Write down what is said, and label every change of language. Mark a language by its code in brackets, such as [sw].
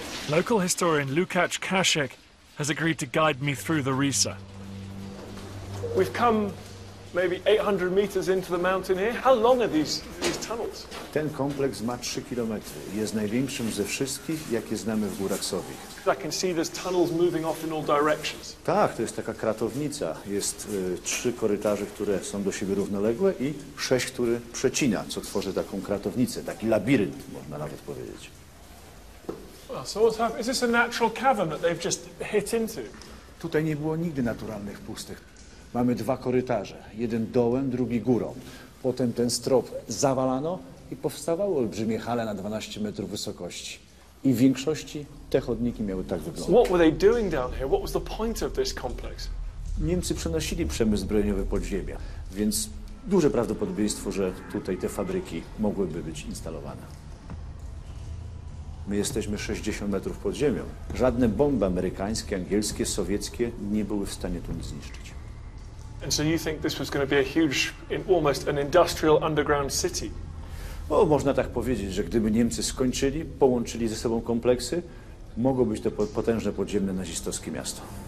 [en] Local historian Lukács Kašek has agreed to guide me through the Risa. We've come maybe 800 meters into the mountain here. How long are these tunnels? [pl] Ten kompleks ma 3 kilometry. Jest największym ze wszystkich, jakie znamy w górach Sowich. [en] I can see there's tunnels moving off in all directions. [pl] Tak, to jest taka kratownica. Jest trzy korytarze, które są do siebie równoległe i sześć, które przecina, co tworzy taką kratownicę, taki labirynt, można nawet powiedzieć. [en] So what's happened? Is this a natural cavern that they've just hit into? [pl] Tutaj nie było nigdy naturalnych pustych. Mamy dwa korytarze, jeden dołem, drugi górą. Potem ten strop zawalano i powstawały olbrzymie hale na 12 metrów wysokości. I w większości te chodniki miały tak wyglądać. [en] What were they doing down here? What was the point of this complex? [pl] Niemcy przenosili przemysł zbrojeniowy pod ziemię, więc duże prawdopodobieństwo, że tutaj te fabryki mogłyby być instalowane. My jesteśmy 60 metrów pod ziemią. Żadne bomby amerykańskie, angielskie, sowieckie nie były w stanie tu nic zniszczyć. [en] And so you think this was going to be a huge, almost an industrial underground city? [pl] No, można tak powiedzieć, że gdyby Niemcy skończyli, połączyli ze sobą kompleksy, mogło być to potężne podziemne nazistowskie miasto.